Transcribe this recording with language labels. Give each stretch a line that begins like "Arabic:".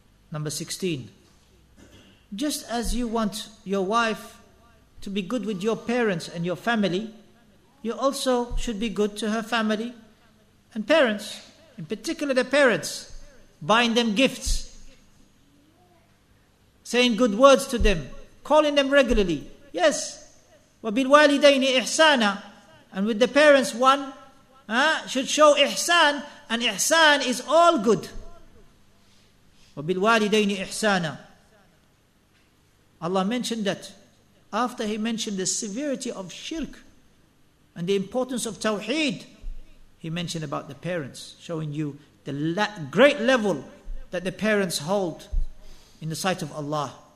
English: Number 16. Just as you want your wife to be good with your parents and your family, you also should be good to her family and parents, in particular their parents, buying them gifts, saying good words to them, calling them regularly.
Arabic: Yes, وَبِالْوَالِدَيْنِ إِحْسَانًا.
English: And with the parents, one should show ihsan, and ihsan is all good.
Arabic: وَبِالْوَالِدَيْنِ إِحْسَانًا.
English: Allah mentioned that after he mentioned the severity of shirk and the importance of tawheed, he mentioned about the parents, showing you the great level that the parents hold in the sight of Allah.